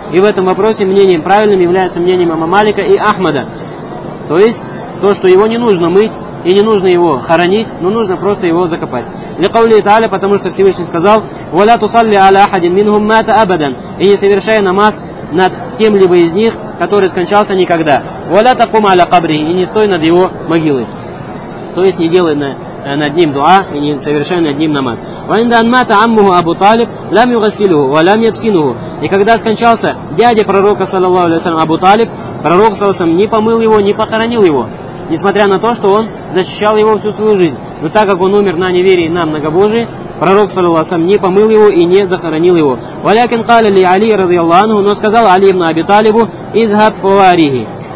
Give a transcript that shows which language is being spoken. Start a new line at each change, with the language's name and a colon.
Russian: И в этом вопросе мнением правильным является мнение имама Малика и Ахмада. То есть то, что его не нужно мыть и не нужно его хоронить, но нужно просто его закопать.
Arabic: لقول تعالى,
Russian: потому что Всевышний сказал,
Arabic: ولا تصلي على أحد منهم مات أبدا.
Russian: И не совершая намаз над кем-либо из них, который скончался никогда.
Arabic: ولا تقوم على قبره.
Russian: И не стой над его могилой. То есть не делай над ним дуа и не совершай над ним намаз.
Arabic: وعند أن مات عمه أبو طالب لم يغسله ولم يدفنه.
Russian: И когда скончался дядя пророка, саллаллаху алейхи ва саллям, Абу Талиб, пророк, саллаллаху алейхи ва саллям, не помыл его, не похоронил его, несмотря на то, что он защищал его всю свою жизнь. Но так как он умер на неверии, на многобожии, пророк, саллаллаху алейхи ва саллям, не помыл его и не захоронил его.
Arabic: Валякин каля ли Али, радиаллаху анху,
Russian: но сказал
Arabic: Али ибн Аби Талибу, «Изхаб фуарихи».